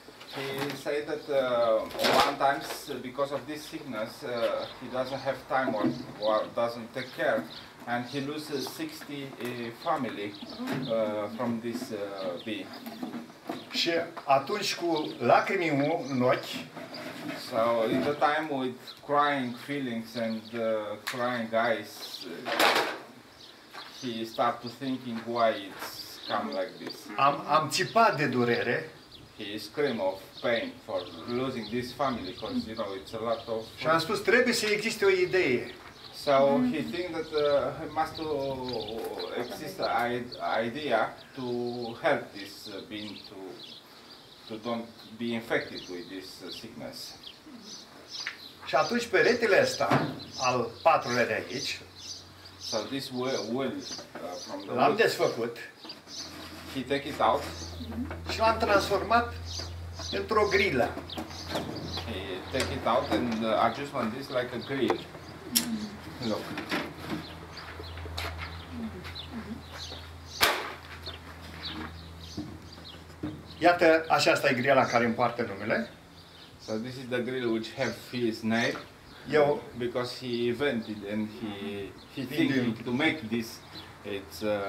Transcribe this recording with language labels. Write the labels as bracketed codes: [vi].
[en] He said that one time, because of this sickness, he doesn't have time or doesn't take care, and he loses 60 family from this bee. [ro] Și atunci cu lacrimi în ochi. [en] So in the time with crying feelings and crying eyes, he started thinking why it's come like this. [ro] Am țipat de durere. [en] He screamed of pain for losing this family, because you know it's a lot of. [ro] Și am spus trebuie să existe o idee. [en] So he think that it must exist an idea to help this being to don't be infected with this sickness. [ro] Și atunci peretele ăsta al patrulea de aici. [en] So this wood from the. [ro] L-am desfăcut. [en] He take it out. [ro] Și l-am transformat într-o grilă. [en] He take it out and adjustment this like a grill. Look. [ro] Iată, așa asta e grila care îmi poartă numele. [en] So this is the grill which have his name. [ro] Eu, [en] because he invented and he thinking to make this, it's.